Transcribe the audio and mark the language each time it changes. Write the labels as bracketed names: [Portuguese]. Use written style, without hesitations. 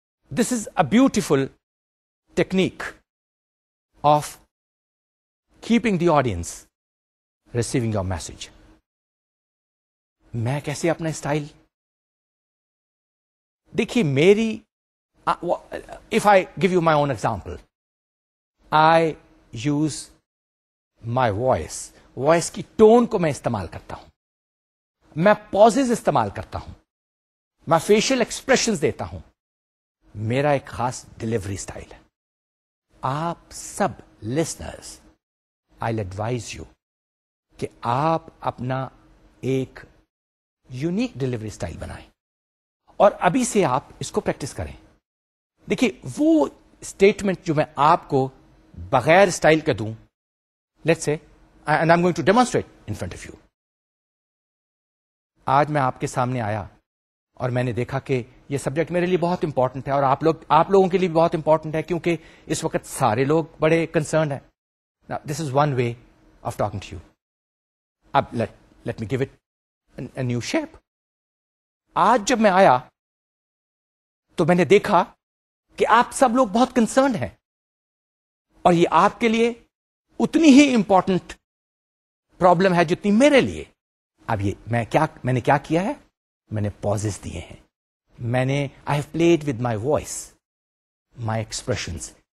[English] This is a beautiful technique of keeping the audience receiving your message. [Urdu] میں کیسے اپنا style دیکھیے میری, [English] if I give you my own example, [Urdu] I use my voice کی tone کو میں استعمال کرتا ہوں, میں pauses استعمال کرتا ہوں, میں facial expressions دیتا ہوں, میرا ایک خاص ڈیلیوری اسٹائل ہے. آپ سب لسنرز [English] I advise you [Urdu] کہ آپ اپنا ایک یونیک ڈیلیوری اسٹائل بنائیں اور ابھی سے آپ اس کو پریکٹس کریں. دیکھیے وہ اسٹیٹمنٹ جو میں آپ کو بغیر اسٹائل کے دوں, [English] let's say and I am going to demonstrate in front of you, [Urdu] آج میں آپ کے سامنے آیا اور میں نے دیکھا کہ یہ سبجیکٹ میرے لیے بہت امپورٹنٹ ہے اور آپ لوگوں کے لیے بھی بہت امپورٹنٹ ہے, کیونکہ اس وقت سارے لوگ بڑے کنسرنڈ ہیں. [English] This is one way of talking to you. اب let me give it a new shape. [Urdu] آج جب میں آیا تو میں نے دیکھا کہ آپ سب لوگ بہت کنسرنڈ ہیں اور یہ آپ کے لیے اتنی ہی امپورٹنٹ پرابلم ہے جتنی میرے لیے. اب یہ میں نے کیا کیا ہے, میں نے پازز دیے ہیں, میں نے [English] I have played with my voice my expressions.